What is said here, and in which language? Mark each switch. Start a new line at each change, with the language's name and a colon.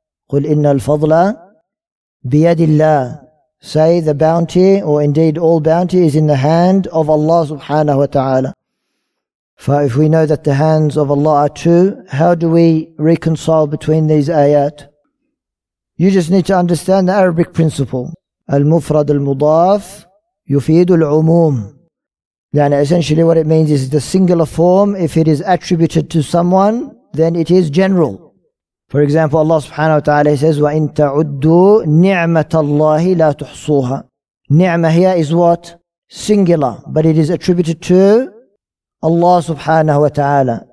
Arabic: قُلْ إِنَّ الْفَضْلَ بِيَدِ اللَّهِ.
English: Say, the bounty, or indeed all bounty, is in the hand of Allah subhanahu wa ta'ala. For if we know that the hands of Allah are two, how do we reconcile between these ayat? You just need to understand the Arabic principle.
Arabic: المفرد المضاف يفيد العموم.
English: يعني essentially what it means is the singular form, if it is attributed to someone, then it is general. For example, Allah subhanahu wa ta'ala says,
Arabic: وَإِن تَعُدُّوا نِعْمَةَ اللَّهِ لَا تُحْصُوهَا.
English: نِعْمَة here is what? Singular. But it is attributed to Allah subhanahu wa ta'ala.